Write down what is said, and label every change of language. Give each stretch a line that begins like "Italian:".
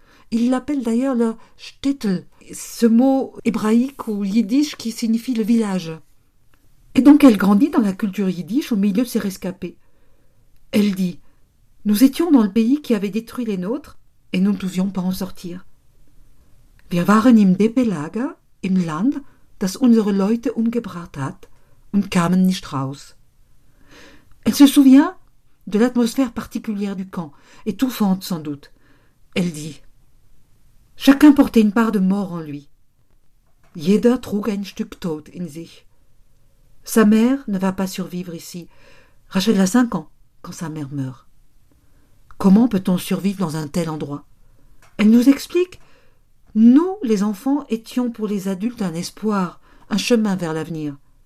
French: Ils l'appellent d'ailleurs le Shtetl, ce mot hébraïque ou yiddish qui signifie le village. Et donc elle grandit dans la culture yiddish au milieu de ses rescapés. Elle dit « Nous étions dans le pays qui avait détruit les nôtres et nous ne pouvions pas en sortir.
German: Wir waren im Depelaga, im Land, das unsere Leute umgebracht hat und kamen nicht raus. »
French: Elle se souvient de l'atmosphère particulière du camp, étouffante sans doute. Elle dit « Chacun portait une part de mort en lui.
German: Jeder trug ein Stück Tod in sich.
French: Sa mère ne va pas survivre ici. Rachel a 5 ans quand sa mère meurt. Comment peut-on survivre dans un tel endroit ? » Elle nous explique « Nous, les enfants, étions pour les adultes un espoir, un chemin vers l'avenir.